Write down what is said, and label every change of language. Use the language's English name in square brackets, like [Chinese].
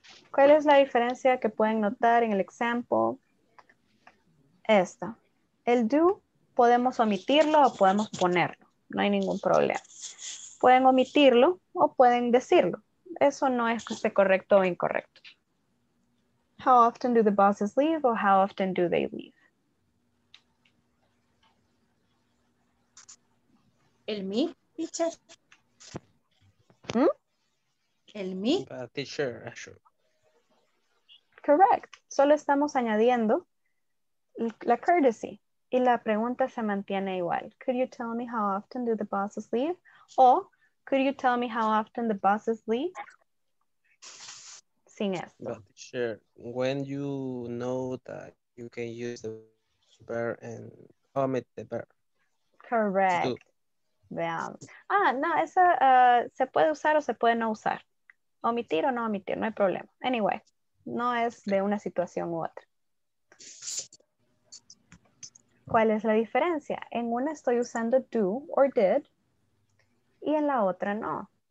[Spanish] ¿Cuál es la diferencia que pueden notar en el example? Esta. El do. Podemos omitirlo o podemos ponerlo. No hay ningún problema. Pueden omitirlo o pueden decirlo. Eso no es que esté correcto o incorrecto. [English] How often do the buses leave or how often do they leave? [Spanish] El me, teacher. El me. [English] Teacher, sure. [Spanish] Correct. Solo estamos añadiendo la courtesy. Y la pregunta se mantiene igual. [English] Could you tell me how often do the buses leave? O, could you tell me how often the buses leave? [Spanish] Sin esto. [English] Sure. When you know that you can use the verb and omit the verb. [Spanish] Correct. Veamos. Ah, no, esa se puede usar o se puede no usar. Omitir o no omitir, no hay problema. Anyway, no es de una situación u otra. ¿Cuál es la diferencia? En una estoy usando do or did y en la otra no.